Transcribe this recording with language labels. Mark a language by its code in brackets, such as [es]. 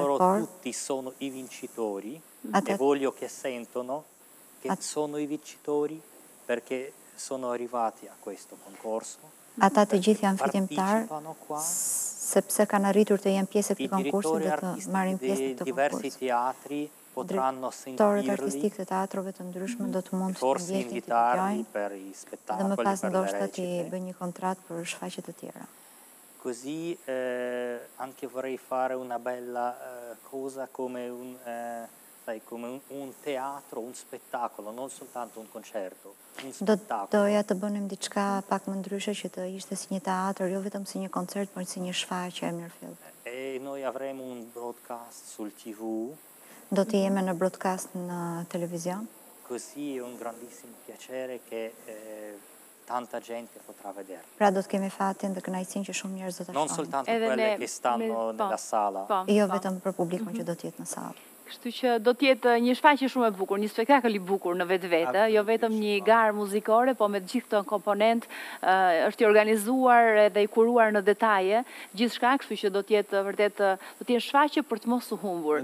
[it] Loro tutti sono i vincitori. E voglio che sentono che sono i vincitori perché sono arrivati a questo concorso. [sq] Ata të gjithë janë fitimtar, sepse kanë arritur të jenë pjesë e këtij konkursi dhe të marrin pjesë në këtë konkurs. [it] Diversi teatri potranno sentirli. [sq] Drejtorët artistik të teatrove të ndryshme do të mund të ndjekin të dëgjojnë për i spektakli. Dhe më pas ndoshta të bëj një kontratë për shfaqje të tjera. [it] Così anche vorrei fare una bella cosa come un sai come un teatro, un spettacolo, non soltanto un concerto. [sq] Doja të bënim diçka pak më ndryshe që të ishte si një teatr, jo vetëm si një koncert, por si një shfaqje e mirëfillt. [it] E noi avremo un broadcast sul TV. [sq] Do të jemi në broadcast në televizion. [it] Così è un grandissimo piacere che tanta gente potrà vedere. [sq] Pra do të kemi fatin dhe kënaqësinë që shumë njerëz do ta shohin. [it] Non soltanto quelle che stanno nella sala. [sq] Jo vetëm për publikun që do të jetë në sallë. Kështu që do tjetë një shfaqje shumë e bukur, një spektakël i bukur në vetvete, jo vetëm një garë muzikore, po me gjithë të komponent është i organizuar dhe i kuruar në detaje, gjithë shka, kështu që do tjetë vërtet, do tjetë shfaqje për të mos u humbur.